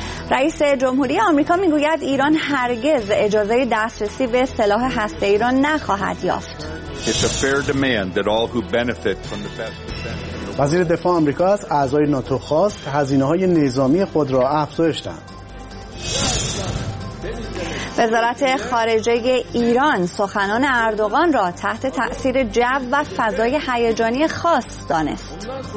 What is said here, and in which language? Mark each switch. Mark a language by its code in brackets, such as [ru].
[fa] رئیس جمهوری آمریکا میگوید ایران هرگز اجازه دسترسی به سلاح هسته‌ای را نخواهد یافت. [en] It's a fair demand that all who benefit from the best defense. [fa] وزیر دفاع آمریکا از اعضای ناتو خواست هزینه‌های نظامی خود را افزایش دهند. وزارت خارجه ایران سخنان اردوغان را تحت تأثیر جو و فضای هیجانی خاص دانست.